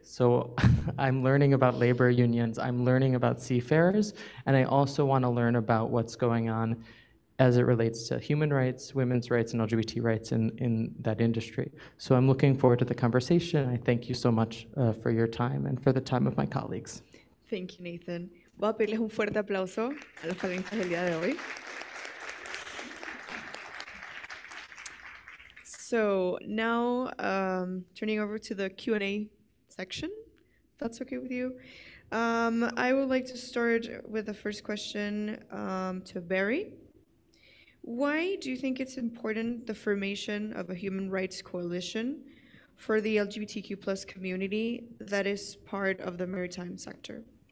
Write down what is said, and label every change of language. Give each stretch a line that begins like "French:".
English: So I'm learning about labor unions, I'm learning about seafarers, and I also want to learn about what's going on as it relates to human rights, women's rights, and LGBT rights in that industry. So I'm looking forward to the conversation. I thank you so much for your time and for the time of my colleagues. Thank you, Nathan.
Spanish: Voy a pedirles un fuerte aplauso a los panelistas del día de hoy.
English: So now, turning over to the Q&A section, if that's okay with you. I would like to start with the first question to Barry. Why do you think it's important the formation of a human rights coalition for the LGBTQ plus community that is part of the maritime sector?